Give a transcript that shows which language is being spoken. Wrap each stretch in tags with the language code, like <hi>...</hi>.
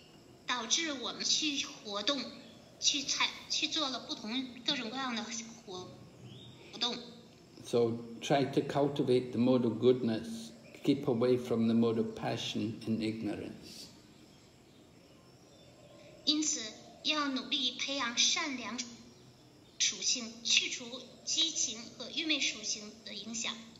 <zh>物质自然形态导致我们去活动。去做了不同各种各样的活动。</zh> <en>So try to cultivate the mode of goodness, keep away from the mode of passion and ignorance.</en> <zh>因此要努力培养善良属性，去除激情和愚昧属性的影响。</zh>